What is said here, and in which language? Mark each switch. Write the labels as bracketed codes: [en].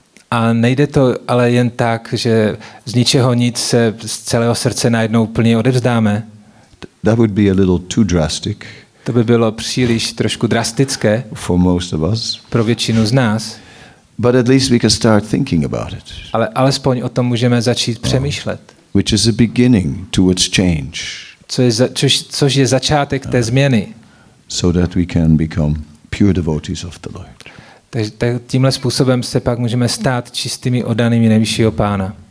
[cs] A nejde to ale jen tak, že z ničeho nic se z celého srdce najednou plně odevzdáme. [en] That would be a little too drastic. [cs] To by bylo příliš trošku drastické. [en] For most of us. [cs] Pro většinu z nás. [en] But at least we can start thinking about it. [cs] Ale alespoň o tom můžeme začít přemýšlet. [en] Which is a beginning towards change. [cs] Což je začátek té změny. [en] so that we can become pure devotees of the Lord. [cs] Tak tímhle způsobem se pak můžeme stát čistými oddanými nejvyššího pána.